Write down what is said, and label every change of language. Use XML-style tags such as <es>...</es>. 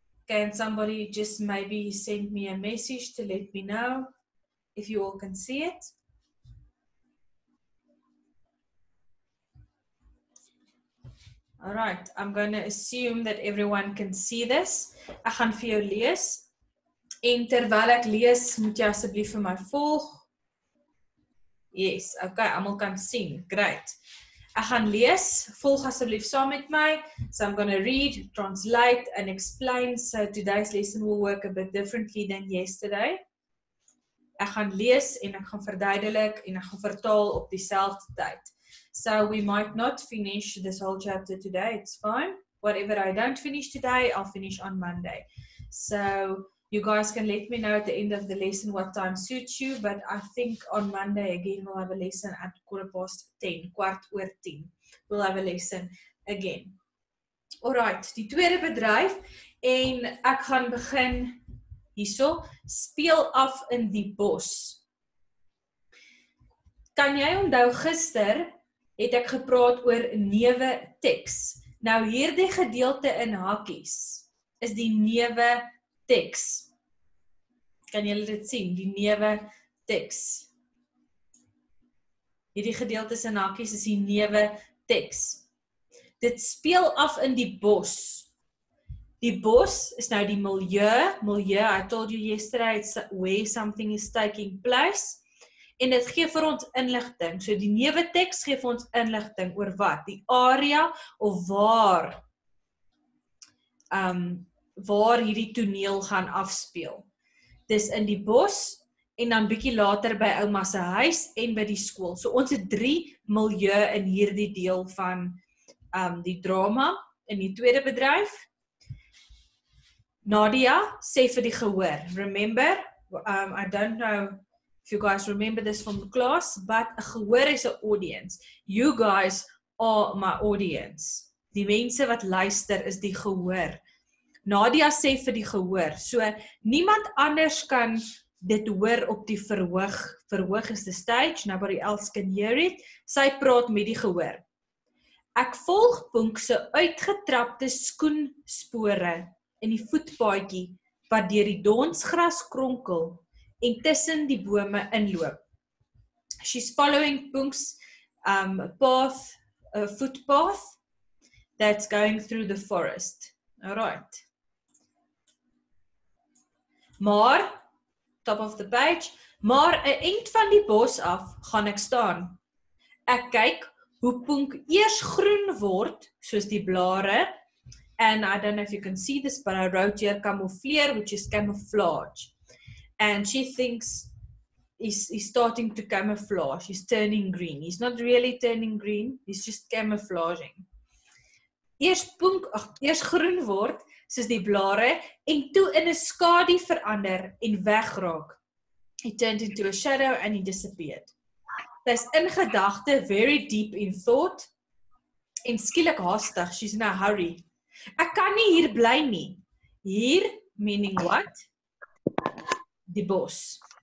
<en>Can somebody just maybe send me a message to let me know if you all can see it? All right, I'm going to assume that everyone can see this.</en> <af>Ek gaan vir jou lees. En terwyl ek lees, moet jy asseblief vir my volg.</af> <en>Yes, okay,</en> <af>almal kan sien.</af> <en>Great.</en> <af>Ek gaan lees, volg asseblief saam met my.</af> <en>So I'm going to read, translate and explain. So today's lesson will work a bit differently than yesterday.</en> <af>Ek gaan lees en ek gaan verduidelik en ek gaan vertaal op dieselfde tyd.</af> <en>So we might not finish this whole chapter today, it's fine. Whatever I don't finish today, I'll finish on Monday. So you guys can let me know at the end of the lesson what time suits you, but I think on Monday again we'll have a lesson at 10:15. We'll have a lesson again.</en> <af>Alright, die tweede bedryf, en ek gaan begin hierso, speel af in die bos. Kan jy onthou gister, het ek gepraat oor neuwe teks. Nou hier die gedeelte in hakies, is die neuwe teks. Kan julle dit sien, die neuwe teks. Hierdie gedeelte se hakies is die neuwe teks. Dit speel af in die bos. Die bos is nou die milieu.</af> <en>Milieu, I told you yesterday, it's where something is taking place.</en> <af>En dit gee vir ons inligting. So die neuwe teks gee vir ons inligting oor wat? Die area of waar, waar hierdie toneel gaan afspeel. Dis in die bos en dan bietjie later by ouma se huis en by die skool. So ons het 3 milieu in hierdie deel van die drama in die tweede bedryf. Nadia sê vir die gehoor,</af> <en>remember, I don't know if you guys remember this from the class, but a gehoor is an audience. You guys are my audience.</en> <af>Die mense wat luister is die gehoor. Nadia sê vir die gehoor, so niemand anders kan dit hoor op die verhoog.</af> <en>Verhoog is the stage, nobody else can hear it.</en> <af>Sy praat met die gehoor. Ek volg Boonk se uitgetrapte skoenspore in die voetpaadjie wat deur die donsgras kronkel en tussen die bome inloop.</af> <en>She's following Boonk's path, a footpath that's going through the forest. All right.</en> <af>Maar,</af> <en>top of the page,</en> <af>maar 'n eind van die bos af gaan ek staan. Ek kyk hoe Boonk eers groen word, soos die blare,</af> <en>and I don't know if you can see this, but I wrote here camoufleur, which is camouflage. And she thinks he's starting to camouflage, he's turning green. He's not really turning green, he's just camouflaging.</en> <af>Eers groen word, soos die blare, en toe in 'n skadu verander en wegraak.</af> <en>He turned into a shadow and he disappeared.</en> <af>Sy is in gedagte,</af> <en>very deep in thought,</en> <af>en skielik haastig,</af> <en>she's in a hurry.</en> <af>Ek kan nie hier bly nie. Hier,</af> <en>meaning what?</en> <af>Die bos.</af>